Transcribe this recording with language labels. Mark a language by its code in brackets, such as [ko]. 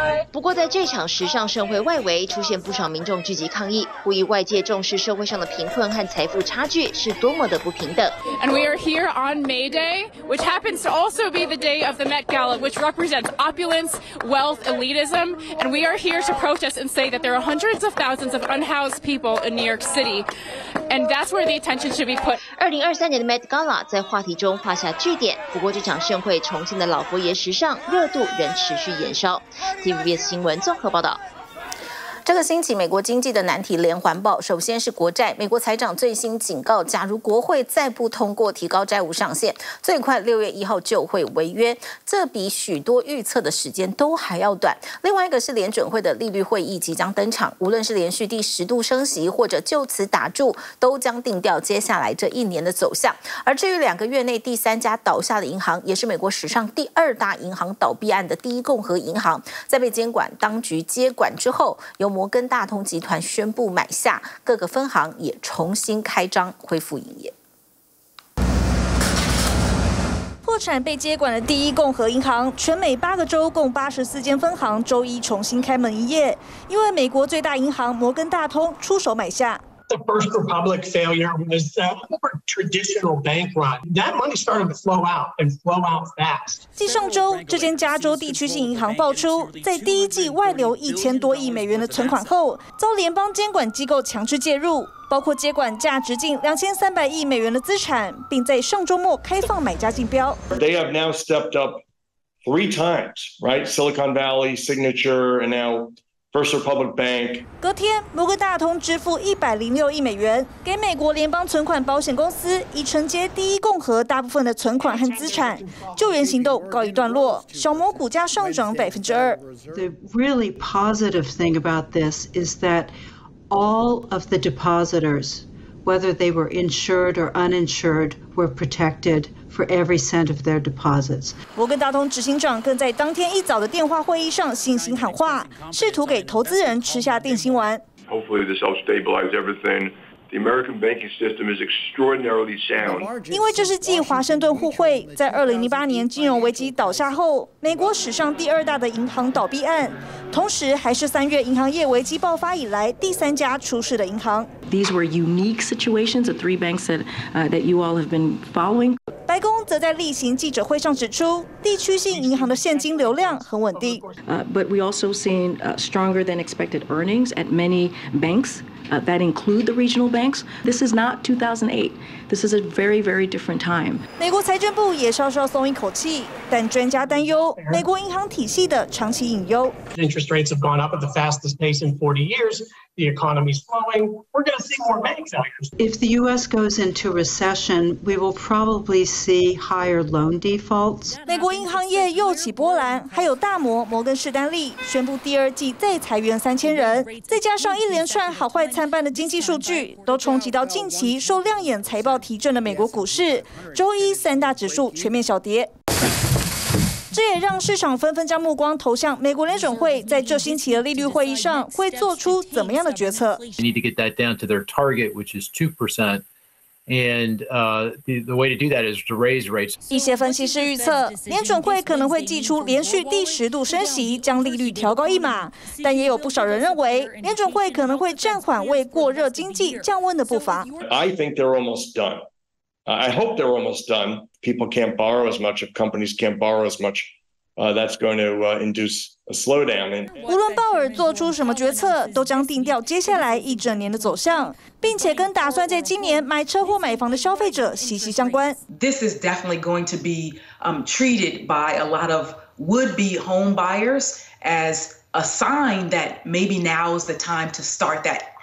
[zh] 不过在这场时尚盛会外围，出现不少民众聚集抗议，呼吁外界重视社会上的贫困和财富差距是多么的不平等。 [en] And we are here on May Day, which happens to also be the day of the Met Gala, which represents opulence, wealth, elitism, and we are here to protest and say that there are hundreds of thousands of unhoused people in New York City, and that's where the attention should be put. [zh] 2023年的 Met Gala 在话题中画下句点，不过这场盛会重庆的老佛爷时尚热度仍持续延烧。 TVBS 新闻综合报道。这个星期美国经济的难题连环爆，首先是国债，美国财长最新警告，假如国会再不通过提高债务上限，最快6月1号就会违约，这比许多预测的时间都还要短。另外一个是联准会的利率会议即将登场，无论是连续第10度升息或者就此打住，都将定调接下来这一年的走向。而至于两个月内第三家倒下的银行，也是美国史上第二大银行倒闭案的第一共和银行，在被监管当局接管之后，由摩根大通集团宣布买下，各个分行也重新开张恢复营业。破产被接管的第一共和银行，全美8个州共84间分行周一重新开门营业，因为美国最大银行摩根大通出手买下。 [en] The First Republic failure was more traditional bank run. That money started to flow out and flow out fast. [zh] 继上周，这间加州地区性银行爆出在第一季外流1000多亿美元的存款后，遭联邦监管机构强制介入，包括接管价值近2300亿美元的资产，并在上周末开放买家竞标。 [en] They have now stepped up 3 times, right? Silicon Valley, Signature, and now. First Republic Bank. [zh] 隔天，摩根大通支付106亿美元给美国联邦存款保险公司，以承接第一共和大部分的存款和资产，救援行动告一段落。小摩股价上涨2%。 [en] The really positive thing about this is that all of the depositors, whether they were insured or uninsured, were protected. For every cent of their deposits. [zh] 摩根大通执行长更在当天一早的电话会议上信心喊话，试图给投资人吃下定心丸。 [en] Hopefully, this helps stabilize everything. The American banking system is extraordinarily sound. [zh] 因为这是继华盛顿互惠在2008年金融危机倒下后，美国史上第二大的银行倒闭案，同时还是3月银行业危机爆发以来第三家出事的银行。 [en] These were unique situations. The 3 banks that you all have been following. [zh] 白宫则在例行记者会上指出，地区性银行的现金流量很稳定。 [en] But we also seen stronger than expected earnings at many banks. that include the regional banks. This is not 2008. This is a very, very different time. [zh] 美国财政部也稍稍松一口气，但专家担忧美国银行体系的长期隐忧。 [en] Interest rates have gone up at the fastest pace in 40 years. The economy is slowing. We're going to see more bank failures. If the U.S. goes into recession, we will probably see higher loan defaults. [zh] 美国银行业又起波澜，还有大摩摩根士丹利宣布第二季再裁员3000人，再加上一连串好坏参半的经济数据，都冲击到近期受亮眼财报提振的美国股市。周一三大指数全面小跌。这也让市场纷纷将目光投向美国联准会在这星期的利率会议上会做出怎么样的决策。 [en] They need to get that down to their target, which is 2%, and the way to do that is to raise rates. [zh] 一些分析师预测，联准会可能会祭出连续第十度升息，将利率调高一码。但也有不少人认为，联准会可能会暂缓为过热经济降温的步伐。 [en] I think they're almost done. I hope they're almost done. People can't borrow as much. If companies can't borrow as much, that's going to induce a slowdown. [zh] 无论鲍尔做出什么决策，都将定调接下来一整年的走向，并且跟打算在今年买车或买房的消费者息息相关。 [en] This is definitely going to be treated by a lot of would-be home buyers as a sign that maybe now is the time to start that.